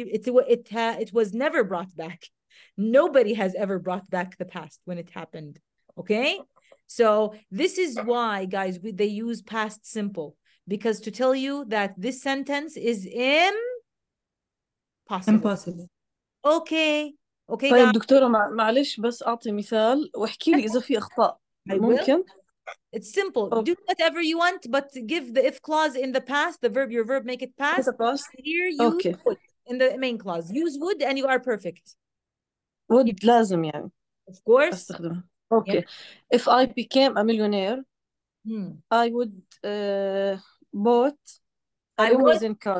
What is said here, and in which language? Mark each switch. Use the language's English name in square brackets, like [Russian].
[English] It was never brought back. Nobody has ever brought back the past when it happened. Okay? So this is why, guys, they use past simple. Because to tell you that this sentence is impossible. Impossible. Okay. Okay, [Arabic] طيب دكتورة معلش بس أعطي مثال وأحكي لي إذا في أخطاء ممكن. [English] It's simple. Okay. Do whatever you want, but give the if clause in the past, the verb, your verb, make it past. The past. Here you use would in the main clause. Use would and you are perfect. Would okay. [Arabic] لازم يعني. [English] Of course. [Arabic] أستخدم. [English] Okay. Yeah. If I became a millionaire, I would bought a limousine car.